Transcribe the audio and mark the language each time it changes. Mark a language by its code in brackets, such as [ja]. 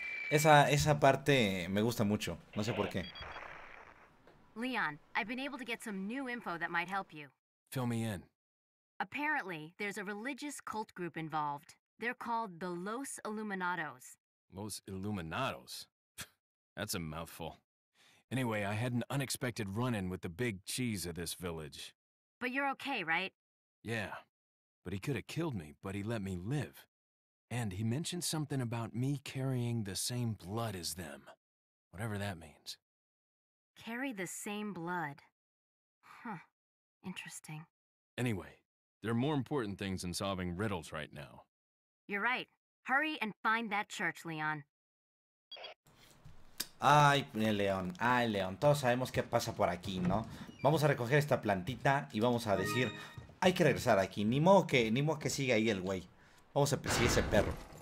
[es] Esa parte me gusta mucho. No sé por qué. [en] Leon, I've been able to get some new info that might help you. Fill me in. Apparently, there's a religious cult group involved. They're called the Los Illuminados. Los Illuminados? That's a mouthful. Anyway, I had an unexpected run-in with the big cheese of this village. But you're okay, right? Yeah. But he could have killed me, but he let me live. And he mentioned something about me carrying the same blood as them. Whatever that means. Carry the same blood. Huh. Interesting. Anyway, there are more important things than solving riddles right now. You're right. Hurry and find that church, Leon. [es] Ay, León, ay, León. Todos sabemos qué pasa por aquí, ¿no? Vamos a recoger esta plantita y vamos a decir, hay que regresar aquí. Ni modo que siga ahí el güey. Vamos a perseguir ese perro.